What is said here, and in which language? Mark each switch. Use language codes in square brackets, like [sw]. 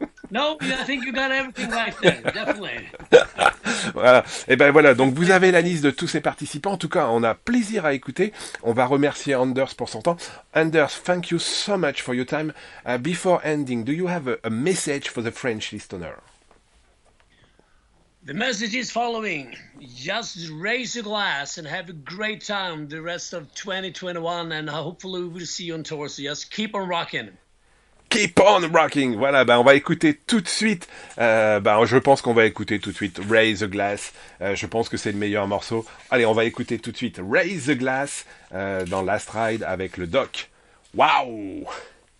[en] No, I think you got everything right there, definitely. [fr] Voilà. Et ben voilà, donc vous avez la liste de tous ces participants. En tout cas, on a plaisir à écouter. On va remercier Anders pour son temps. [en] Anders, thank you so much for your time. Before ending, do you have a message for the French listener? The message is following. Just raise a glass and have a great time the rest of 2021 and hopefully we'll see you on tour. So just keep on rocking. Keep on rocking. [fr] Voilà, on va écouter tout de suite. Je pense qu'on va écouter tout de suite Raise a Glass. Je pense que c'est le meilleur morceau. Allez, on va écouter tout de suite Raise a Glass dans Last Ride avec le Doc. Waouh!